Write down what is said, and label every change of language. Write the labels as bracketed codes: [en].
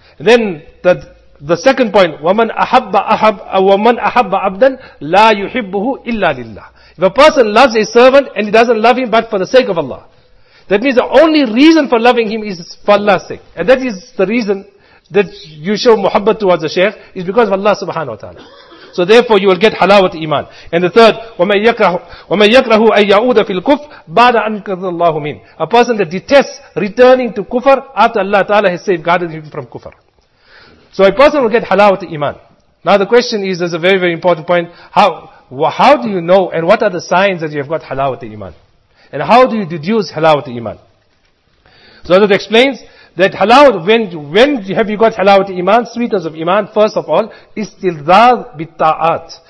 [en] Then the second point, [ar] wa man ahabba abdan la yuhibbuhu illa lillah. [en] If a person loves a servant and he doesn't love him but for the sake of Allah, that means the only reason for loving him is for Allah's sake. And that is the reason that you show muhabbat towards the Shaykh, is because of Allah subhanahu wa ta'ala. So therefore you will get halawat iman. And the third, [ar] وَمَن يَكْرَهُ أَن يَعُودَ فِي الْكُفْرِ بَعْدَ أَن كَرَّهَ اللَّهُ مِنْهُ. [en] A person that detests returning to kufr after Allah ta'ala has safeguarded him from kufr. So a person will get halawat iman. Now the question is, there's a very very important point. How do you know, and what are the signs that you have got halawat iman? And how do you deduce halawat iman? So that explains that halawat, when have you got halawat iman, sweetness of iman, first of all, is [ar] istidrad bit ta'at.